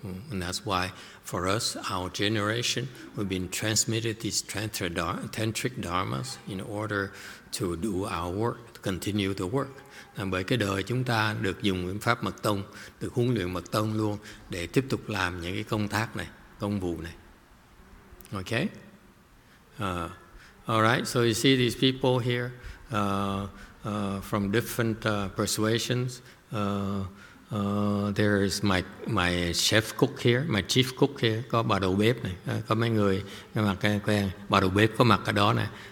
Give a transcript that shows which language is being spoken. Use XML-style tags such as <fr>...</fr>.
<en>And that's why for us, our generation, we've been transmitted these tantric dharmas in order to do our work, to continue the work.</en> <vi>Bởi cái đời chúng ta được dùng nguyên pháp mật tông, được huấn luyện mật tông luôn để tiếp tục làm những cái công tác này, công vụ này.</vi> <en>Okay? Alright, so you see these people here from different persuasions. There is my chef cook here, my chief cook here.</en> <vi>Có bà đầu bếp này, có mấy người mặt quen, bà đầu bếp có mặt ở đó này.</vi>